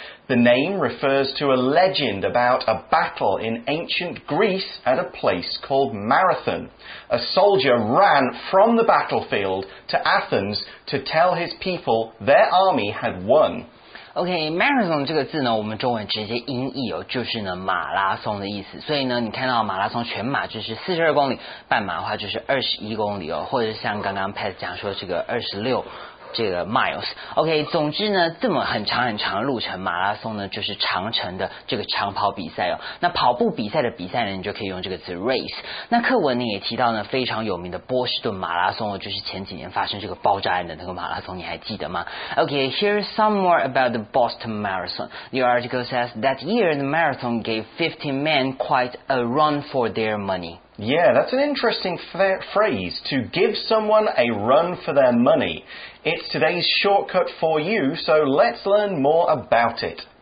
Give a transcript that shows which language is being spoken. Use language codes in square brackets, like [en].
[en] The name refers to a legend about a battle in ancient Greece at a place called Marathon. A soldier ran from the battlefield to Athens to tell his people their army had won. [zh] Okay, marathon 这个字呢，我们中文直接音译哦，就是呢马拉松的意思。所以呢，你看到马拉松全马就是42公里，半马的话就是21公里哦，或者是像刚刚 Pat 讲说这个26这个 miles。 OK， 总之呢，这么很长很长的路程，马拉松呢就是长程的这个长跑比赛哦。那跑步比赛的比赛呢，你就可以用这个词 race。那课文呢也提到呢非常有名的波士顿马拉松哦，就是前几年发生这个爆炸案的那个马拉松，你还记得吗？ [en] OK， here's some more about the Boston Marathon. The article says that year the marathon gave 15 men quite a run for their money. Yeah, that's an interesting phrase, to give someone a run for their money. It's today's shortcut for you, so let's learn more about it.